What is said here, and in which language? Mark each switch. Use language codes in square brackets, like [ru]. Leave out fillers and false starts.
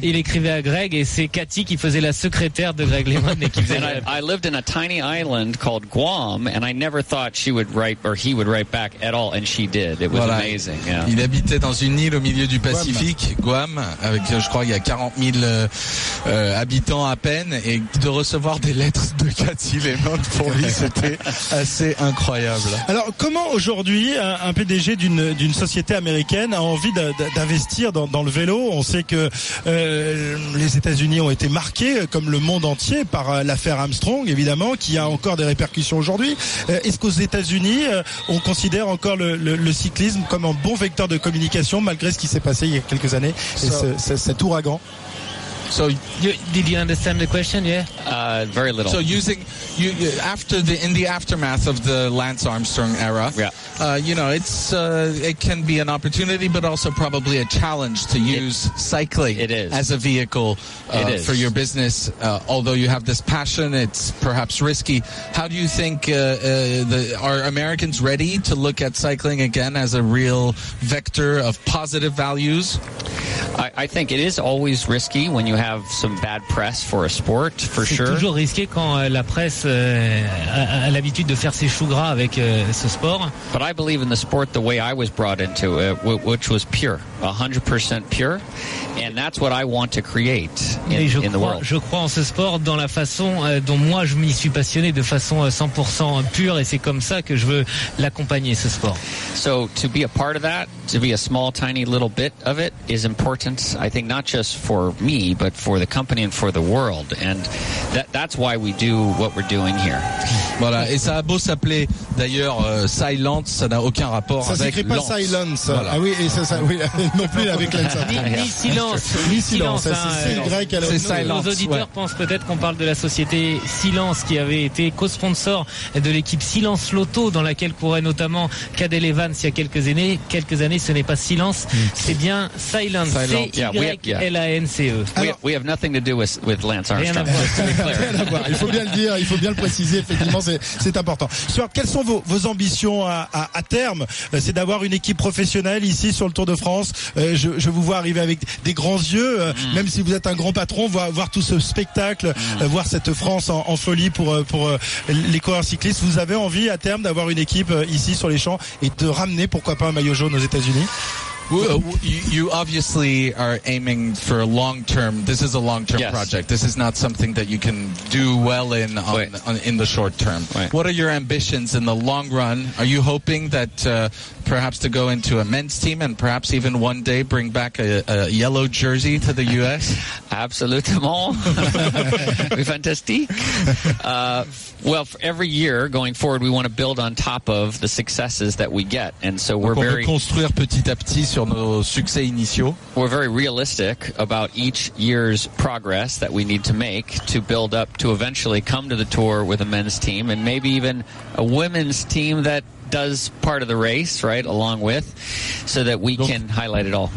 [fr] Il écrivait à Greg et c'est Cathy qui faisait la secrétaire de Greg LeMond. [en] I lived in a tiny island called Guam and I never thought she would write or he would write back at all. And she did. It was amazing. Yeah. [fr] Il habitait dans une île au milieu du Pacifique, Guam, avec je crois il y a 40 000 habitants à peine, et de recevoir des lettres de Cathy LeMond pour lui, c'était assez incroyable. Alors, comment aujourd'hui un PDG d'une société américaine a envie d'investir dans le vélo? On sait que les États-Unis ont été marqués, comme le monde entier, par l'affaire Armstrong, évidemment, qui a encore des répercussions aujourd'hui. Est-ce qu'aux États-Unis, on considère encore le cyclisme comme un bon vecteur de communication, malgré ce qui s'est passé il y a quelques années, cet ouragan? [en] So, did you understand the question? Yeah, very little. So, in the aftermath of the Lance Armstrong era, it can be an opportunity, but also probably a challenge to use cycling as a vehicle for your business. Although you have this passion, it's perhaps risky. How do you think are Americans ready to look at cycling again as a real vector of positive values? I think it is always risky when you have some bad press for a sport, for [fr] c'est [en] sure. [fr] C'est toujours risqué quand la presse a l'habitude de faire ses choux gras avec ce sport. [en] But I believe in the sport the way I was brought into it, which was pure, 100% pure, and that's what I want to create in the world. [fr] Je crois en ce sport dans la façon dont moi je m'y suis passionné, de façon 100% pure, et c'est comme ça que je veux l'accompagner, ce sport. [en] So to be a part of that, to be a small, tiny little bit of it, is important. I think not just for me, but for the company and for the world. And that's why we do what we're doing here. [fr] Voilà, et ça a beau s'appeler d'ailleurs Silence, ça n'a aucun rapport ça avec Lance. Ça s'écrit pas Silence. Voilà. Ah oui, et non plus avec Lance. Ni Silence. C'est Silence. Nos auditeurs pensent peut-être qu'on parle de la société Silence qui avait été co-sponsor de l'équipe Silence Lotto, dans laquelle courait notamment Cadel Evans il y a quelques années. Ce n'est pas Silence, c'est bien Silence. [en] We have nothing to do with Lance Armstrong. [fr] Il faut bien le dire, il faut bien le préciser, effectivement, c'est important. Stuart, quelles sont vos ambitions à terme? C'est d'avoir une équipe professionnelle ici sur le Tour de France. Je vous vois arriver avec des grands yeux, même si vous êtes un grand patron, voir tout ce spectacle, voir cette France en folie pour les coureurs cyclistes. Vous avez envie à terme d'avoir une équipe ici sur les champs et de ramener, pourquoi pas, un maillot jaune aux États-Unis? [en] You obviously are aiming for a long term. This is a long term project. This is not something that you can do well in in the short term. Right. What are your ambitions in the long run? Are you hoping that perhaps to go into a men's team and perhaps even one day bring back a yellow jersey to the U.S.? Absolutely. Fantastique. Well, for every year going forward, we want to build on top of the successes that we get. And so we're very... [fr] construire petit à petit sur nos succès initiaux. [en] We're very realistic about each year's progress that we need to make to build up to eventually come to the tour with a men's team and maybe even a women's team that does part of the race, right, along with, so that we can highlight it all.